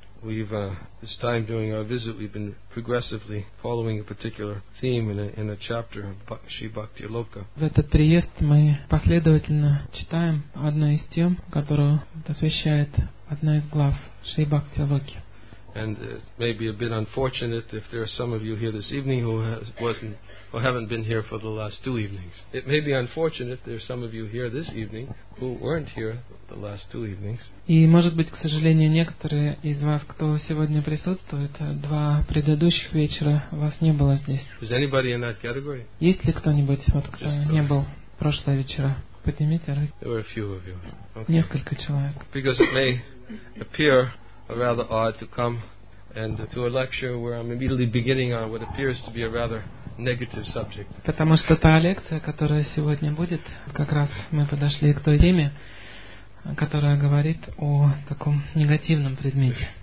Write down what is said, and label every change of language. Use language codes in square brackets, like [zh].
[en] We've this time during our visit we've been progressively following a particular theme in a chapter of Shri Bhakti Loka. [ru] В этот приезд мы последовательно читаем одну из тем, которую посвящает одна из глав Шри Бхакти Локи. [en] And it may be a bit unfortunate if there are some of you here this evening who haven't been here for the last two evenings. It may be unfortunate there are some of you here this evening who weren't here the last two evenings. [ru] И может быть, к сожалению, некоторые из вас, кто сегодня присутствует, два предыдущих вечера вас не было здесь. [en] Is anybody in that category? [ru] Есть ли кто-нибудь, кто не был прошлого вечера? Поднимите руки. [en] There were a few of you. [ru] Okay. Несколько человек. [en] Because it may appear rather odd to come and to a lecture where I'm immediately beginning on what appears to be a rather negative subject. [ru] Потому что та лекция, которая сегодня будет, как раз мы подошли к той теме, которая говорит о таком негативном предмете.